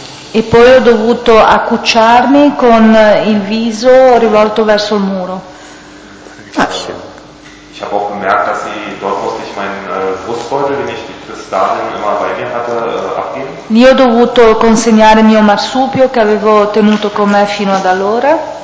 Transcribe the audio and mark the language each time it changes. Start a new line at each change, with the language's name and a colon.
Italian: E poi ho dovuto accucciarmi con il viso rivolto verso il muro.
German: Ich habe auch bemerkt, dass sie dort musste ich meinen Brustbeutel, den ich bis dahin immer bei mir hatte, abgeben.
Italian: Io ho dovuto consegnare mio marsupio che avevo tenuto con me fino ad allora.